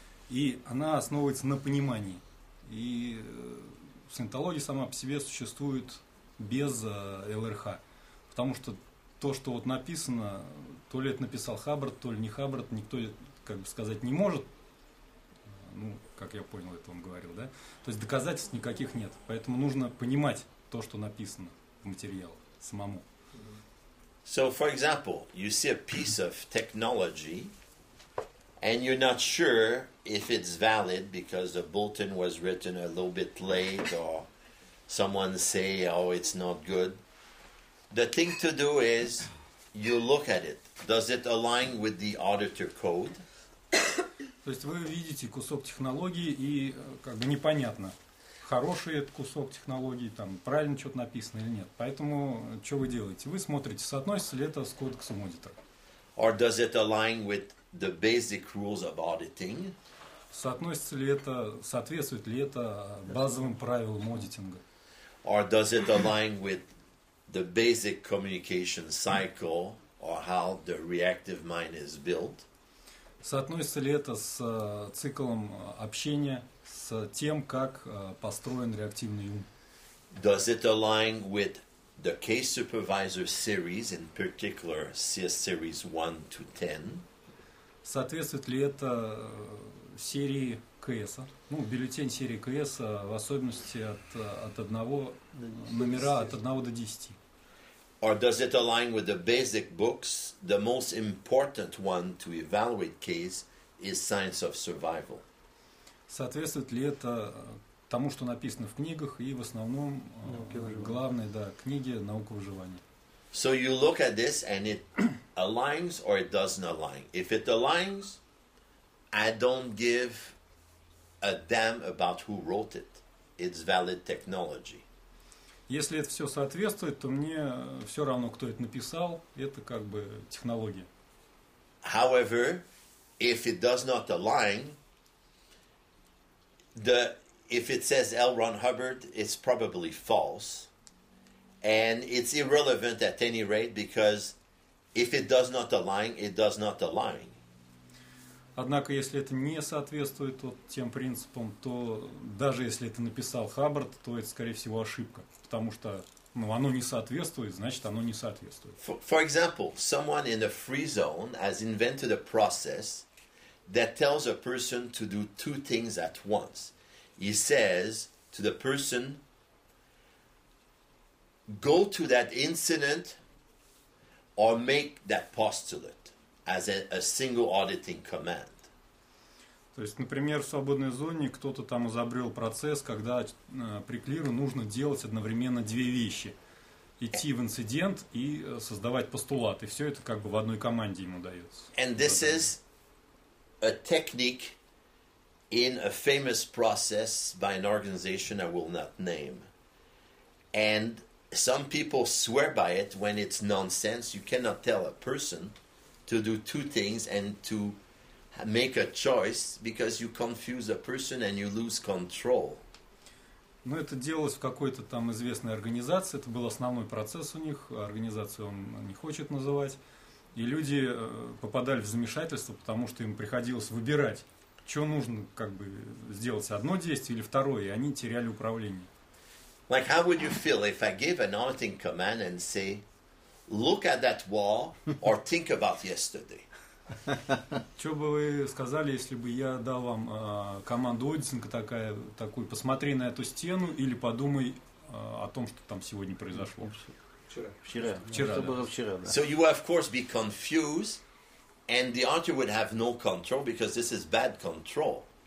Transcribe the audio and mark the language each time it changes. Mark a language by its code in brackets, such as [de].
[ru] И она основывается на понимании. И саентология сама по себе существует без ЛРХ. Потому что то, что вот написано, то ли это написал Хаббард, то ли не Хаббард, никто, как бы сказать, не может. Ну, как я понял, это он говорил, да? То есть доказательств никаких нет. Поэтому нужно понимать то, что написано. Материал самому. [en] So, for example, you see a piece of technology and you're not sure if it's valid because the bulletin was written a little bit late or someone say, oh, it's not good. The thing to do is you look at it. Does it align with the auditor code? [ru] То есть вы видите кусок технологии и как бы непонятно. Хороший этот кусок технологии, там правильно что-то написано или нет. Поэтому, что вы делаете? Вы смотрите, соотносится ли это с кодексом аудитора. [en] Or does it align with the basic rules of auditing? [ru] Соотносится ли это, соответствует ли это базовым правилам аудитинга? [en] Or does it align with the basic communication cycle or how the reactive mind is built? [ru] Соотносится ли это с циклом общения? С тем, как построен реактивный ум. [en] Does it align with the case supervisor series, in particular CS series 1 to 10? [ru] Соответствует ли это серии КС, ну, бюллетень серии КС, в особенности от одного номера от 1 до 10? [en] Or does it align with the basic books? The most important one to evaluate case is Science of Survival. [ru] Соответствует ли это тому, что написано в книгах и в основном главной, да, книге «Наука выживания». [en] So you look at this and it aligns or it doesn't align. If it aligns, I don't give a damn about who wrote it. It's valid technology. [ru] Если это все соответствует, то мне все равно, кто это написал. Это как бы технология. [en] However, if it does not align, if it says L. Ron Hubbard, it's probably false. And it's irrelevant at any rate, because if it does not align, it does not align. [ru] Однако, если это не соответствует вот тем принципам, то даже если это написал Хаббард, то это, скорее всего, ошибка. Потому что ну, оно не соответствует, значит, оно не соответствует. [en] For example, someone in a free zone has invented a process that tells a person to do two things at once. He says to the person, go to that incident or make that postulate as a single auditing command. [ru] То есть, например, в свободной зоне кто-то там изобрел процесс, когда при клиру нужно делать одновременно две вещи. Идти в инцидент и создавать постулат. И все это как бы в одной команде ему дается. [en] And this is a technique in a famous process by an organization I will not name. And some people swear by it when it's nonsense. You cannot tell a person to do two things and to make a choice because you confuse a person and you lose control. [ru] Ну, это делалось в какой-то там известной организации. Это был основной процесс у них. Организацию он не хочет называть. И люди попадали в замешательство, потому что им приходилось выбирать, что нужно как бы сделать, одно действие или второе, и они теряли управление. [en] Like, how would you feel if I gave an auditing command and say, look at that wall or think about yesterday? [ru] Что бы вы сказали, если бы я дал вам команду аудитинга такая, такую, посмотри на эту стену или подумай о том, что там сегодня произошло? Вчера. [en] So you would of course be confused, and the auditor would have no control because this is bad control.